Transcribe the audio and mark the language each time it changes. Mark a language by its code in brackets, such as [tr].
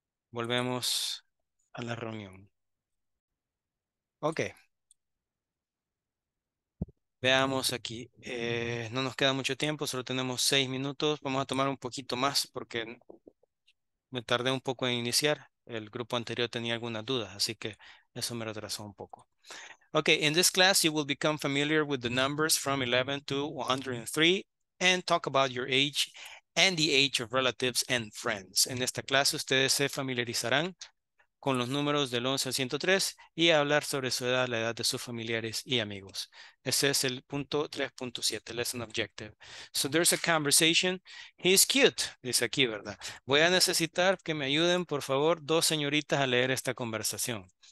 [es] Volvemos a la reunión. Ok. Veamos aquí. No nos queda mucho tiempo, solo tenemos 6 minutos. Vamos a tomar un poquito más porque me tardé un poco en iniciar. El grupo anterior tenía algunas dudas, así que eso me retrasó un poco. [en] Ok, in this class you will become familiar with the numbers from 11 to 103 and talk about your age and the age of relatives and friends. [es] En esta clase ustedes se familiarizarán con los números del 11 al 103 y hablar sobre su edad, la edad de sus familiares y amigos. Ese es el punto [en] 3.7, lesson objective. So there's a conversation. He's cute, [es] dice aquí, ¿verdad? Voy a necesitar que me ayuden, por favor, dos señoritas a leer esta conversación.